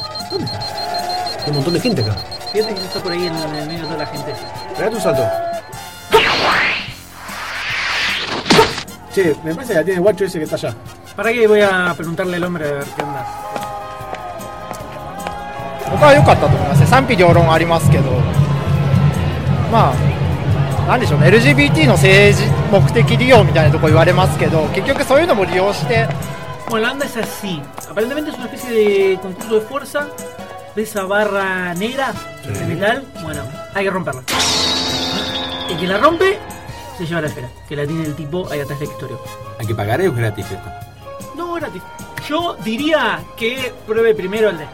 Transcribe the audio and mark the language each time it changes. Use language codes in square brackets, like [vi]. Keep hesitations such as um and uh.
[es] ¿Dónde? Hay un montón de gente acá. Fíjate que está por ahí en el medio de toda la gente. Pegate un salto. Che, me parece que la tiene el guacho ese que está allá. ¿Para qué voy a preguntarle al hombre a ver qué onda? [ja] ここは良かったと思います賛否両論ありますけど、まあ、なんでしょうね、LGBT の政治目的利用みたいなところ言われますけど、結局そういうのも利用して、 [es] Bueno, la onda es así. Aparentemente es una especie de concurso de fuerza. De esa barra negra mm-hmm. de metal. Bueno, hay que romperla. El que la rompe se lleva la esfera. Que la tiene el tipo ahí atrás del escritorio. ¿Hay que pagar o es gratis esto? No, gratis. Yo diría que pruebe primero el de.